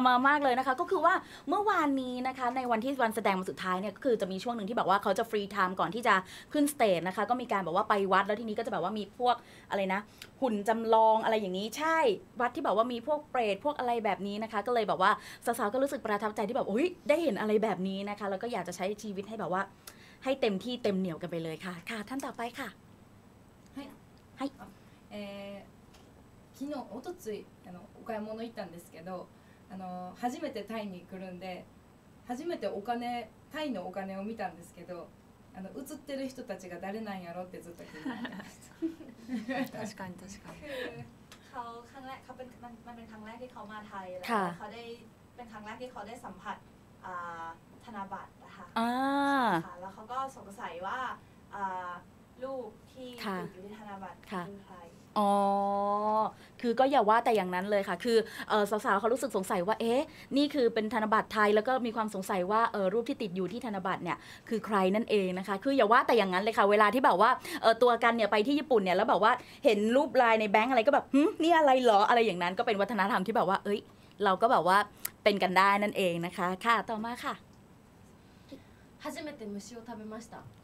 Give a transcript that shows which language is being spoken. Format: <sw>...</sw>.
<th>อ๋อโอ้โหปรัชญามามากเลยนะคะก็คือว่าเมื่อวานนี้นะคะในวันที่วันแสดงมาสุดท้ายเนี่ยก็คือจะมีช่วงหนึ่งที่แบบว่าเขาจะฟรีไทม์ก่อนที่จะขึ้นสเตจนะคะก็มีการแบบว่าไปวัดแล้วทีนี้ก็จะแบบว่ามีพวกอะไรนะหุ่นจำลองอะไรอย่างนี้ใช่วัดที่แบบว่ามีพวกเปรตพวกอะไรแบบนี้นะคะก็เลยแบบว่าสาวๆก็รู้สึกประทับใจที่แบบอุ๊ยได้เห็นอะไรแบบนี้นะคะแล้วก็อยากจะใช้ชีวิตให้แบบว่าให้เต็มที่เต็มเหนี่ยวกันไปเลยค่ะค่ะท่านต่อไปค่ะ ให้ให</th> <ja>昨日一昨日あのお買い物行ったんですけど初めてタイに来るんで、初めてお金、タイのお金を見たんですけど、写ってる人たちが誰なんやろってずっと気になってました。確かに確かに。</ja> <th>คือเขาครั้งแรกเขาเป็นมันเป็นครั้งแรกที่เขามาไทยแล้วเขาได้เป็นครั้งแรกที่เขาได้สัมผัสธนบัตรนะคะแล้วเขาก็สงสัยว่ารูปที่อยู่ในธนบัตรคือใคร อ๋อคือก็อย่าว่าแต่อย่างนั้นเลยค่ะคือสาวๆเขารู้สึกสงสัยว่าเอ๊ะนี่คือเป็นธนบัตรไทยแล้วก็มีความสงสัยว่ารูปที่ติดอยู่ที่ธนบัตรเนี่ยคือใครนั่นเองนะคะคืออย่าว่าแต่อย่างนั้นเลยค่ะเวลาที่แบบว่าตัวกันเนี่ยไปที่ญี่ปุ่นเนี่ยแล้วแบบว่าเห็นรูปลายในแบงก์อะไรก็แบบนี่อะไรหรออะไรอย่างนั้นก็เป็นวัฒนธรรมที่แบบว่าเอ้ยเราก็แบบว่าเป็นกันได้นั่นเองนะคะค่ะต่อมาค่ะ</th> <ja>初めて虫を食べました</ja>